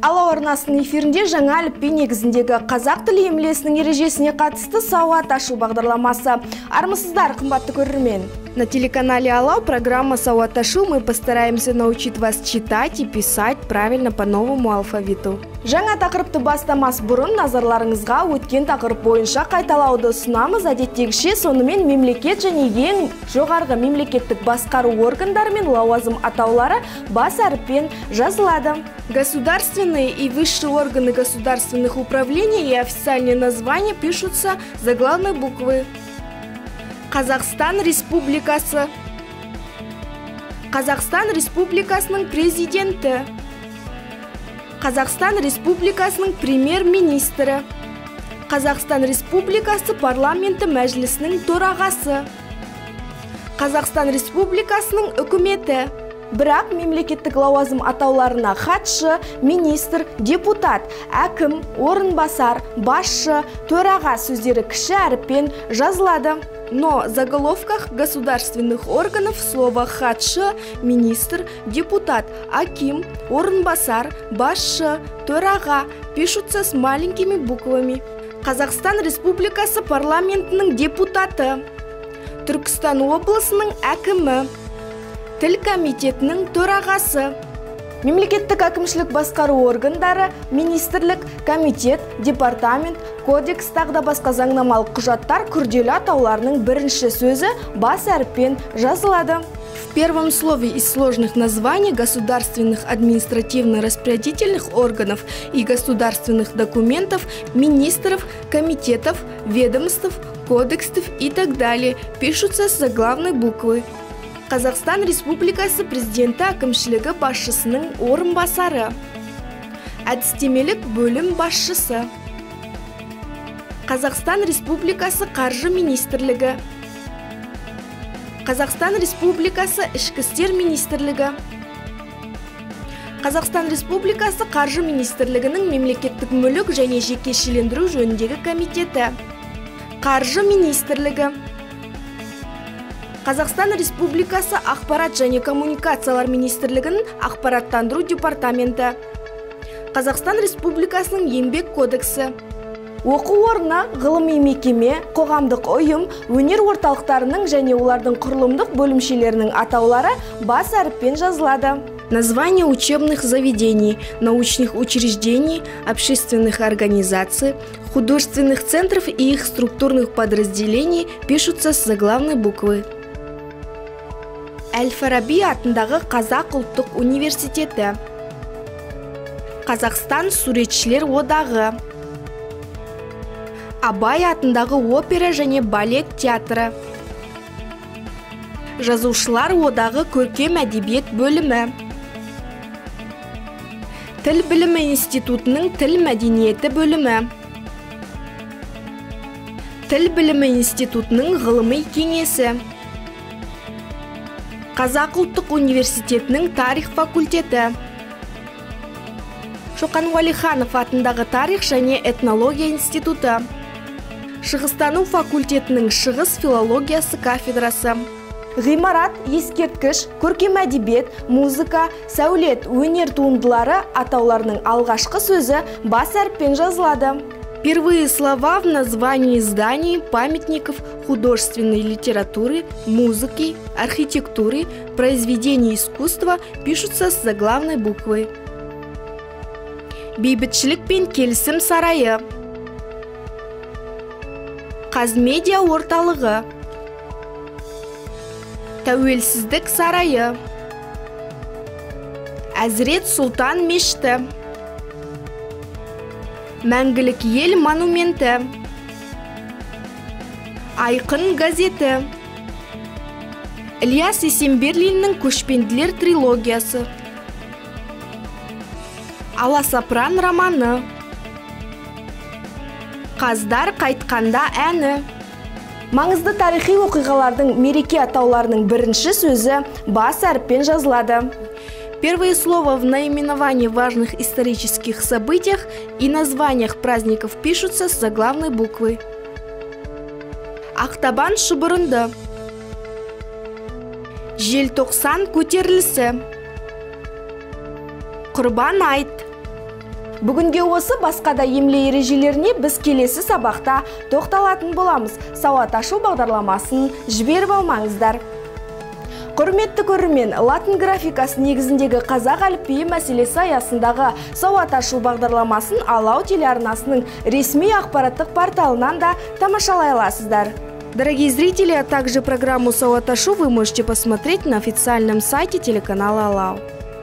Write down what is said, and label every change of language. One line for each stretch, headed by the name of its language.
Kazakh: арнасының эфирінде жаңа әліпби негізіндегі қазақ тілі емлесінің ережесіне қатысты сауат ашу бағдарламасы. Армысыздар, қымбатты көрермен!
Russian: На телеканале Алау программа «Сауат ашу» мы постараемся научить вас читать и писать правильно по новому алфавиту.
Kazakh: Жаңа тақырыпты бастамас бұрын назарларыңызға өткен тақырып бойынша қайталауды сұнамыз. Әдеттегіше сонымен мемлекет және ең жоғарғы мемлекеттік басқару органдары мен лауазым атаулары бас әріппен жазылады.
Russian: Государственные и высшие органы государственных управлений и официальные названия пишутся заглавной буквы.
Kazakh: Казахстан Республикасы. Казахстан Республикасының президенті. Казахстан Республикасының премьер-министрі. Казахстан Республикасы парламенті мәжілісінің төрағасы. Казахстан Республикасының үкіметі. Бірақ мемлекеттік лауазым атауларына хатшы, министр, депутат, әкім, орынбасар, басшы, төраға сөздері кіші әріппен жазылады.
Russian: Но в заголовках государственных органов слово «хатшы», «министр», «депутат», «аким», «орынбасар», «башшы», «төраға» пишутся с маленькими буквами.
Kazakh: Казахстан Республикасы парламентының депутаты, Түркістан облысының әкімі, тіл комитетінің төрағасы. Мемлекеттік әкімшілік басқару органдары, министрлік, комитет, департамент, кодекс тағда басқа заңнамалық құжаттар күрделі атауларының бірінші сөзі бас әріппен жазылады.
Russian: В первом слове из сложных названий государственных административно-распорядительных органов и государственных документов, министров, комитетов, ведомств, кодексов и так далее пишутся с заглавной буквы.
Kazakh: Қазақстан Республикасы президенті әкімшілігі басшысының орынбасары. Әдістемелік бөлім басшысы. Қазақстан Республикасы қаржы министрлігі. Қазақстан Республикасы ішкі істер министрлігі. Қазақстан Республикасы қаржы министрлігінің мемлекеттік мүлік және жекешелендіру жөніндегі комитеті. Қаржы министрлігі. Қазақстан Республикасы ақпарат және коммуникациялар министрлігінің ақпараттандыру департаменті. Қазақстан Республикасының еңбек кодексі. Оқу орны, ғылыми мекеме, қоғамдық ұйым, өнер орталықтарының және олардың құрылымдық бөлімшелерінің атаулары бас әріппен жазылады.
Russian: Название учебных заведений, научных учреждений, общественных организаций, художественных центров и их структурных подразделений пишутся с заглавной буквы.
Kazakh: Әл-Фараби атындағы Қазақ ұлттық университеті. Қазақстан суретшілер одағы. Абай атындағы опера және балет театры. Жазушылар одағы көркем әдебиет бөлімі. Тіл білімі институтының тіл мәдениеті бөлімі. Тіл білімі институтының ғылыми кеңесі. Қазақ ұлттық университетінің тарих факультеті. Шоқан Уәлиханов атындағы тарих және этнология институты. Шығыстану факультетінің шығыс филологиясы кафедрасы. Ғимарат, ескерткіш, көркем әдебиет, музыка, сәулет, өнер туындылары атауларының алғашқы сөзі бас әріппен жазылады.
Russian: Первые слова в названии зданий, памятников, художественной литературы, музыки, архитектуры, произведений искусства пишутся с заглавной буквы.
Kazakh: Бейбітшілік пен келісім сарайы. Қазмедиа орталығы. Тәуелсіздік сарайы. Әзірет Султан мешіті. Мәңгілік ел монументі. Айқын газеті. Ілияс Есенберлиннің көшпенділер трилогиясы. Аласапран романы. Қаздар қайтқанда әні. Маңызды тарихи оқиғалардың мереке атауларының бірінші сөзі бас әріппен жазылады.
Russian: Первое слово в наименовании важных исторических событиях и названиях праздников пишутся с заглавной буквы.
Kazakh: Ақтабан шұбырынды. Желтоқсан көтерілісі. Құрбан айт. Бүгінге осы басқада емле ережелеріне біз келесі сабақта тоқталатын боламыз. Сауат ашу бағдарламасын жіберіп алмаңыздар. Құрметті көрермен, латын графикасы негізіндегі қазақ әліпбиі мәселесі аясындағы сауат ашу бағдарламасын Алау телеарнасының ресми ақпараттық порталынан да тамашалай аласыздар.
Russian: Дорогие зрители, а также программу «Сауат ашу» вы можете посмотреть на официальном сайте телеканала «Алау».